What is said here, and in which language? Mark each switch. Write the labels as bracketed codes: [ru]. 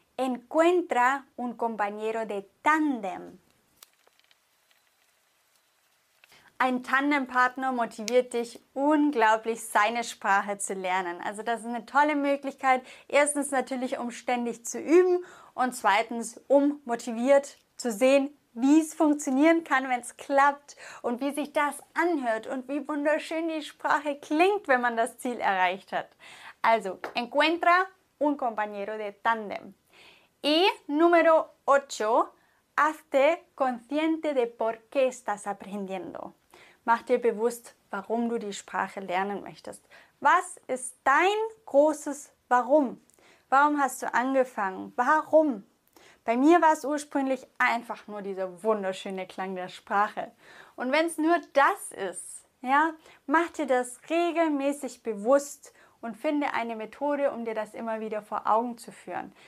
[es] Encuentra un compañero de tándem. [de] Ein Tandempartner motiviert dich unglaublich, seine Sprache zu lernen. Also das ist eine tolle Möglichkeit, erstens natürlich, um ständig zu üben und zweitens, um motiviert zu sehen, wie es funktionieren kann, wenn es klappt und wie sich das anhört und wie wunderschön die Sprache klingt, wenn man das Ziel erreicht hat. [es] Also, encuentra un compañero de tándem. Y número 8, hazte consciente de por qué estás aprendiendo. [de] Mach dir bewusst, warum du die Sprache lernen möchtest. Was ist dein großes Warum? Warum hast du angefangen? Warum? Bei mir war es ursprünglich einfach nur dieser wunderschöne Klang der Sprache. Und wenn es nur das ist, ja, mach dir das regelmäßig bewusst und finde eine Methode, um dir das immer wieder vor Augen zu führen.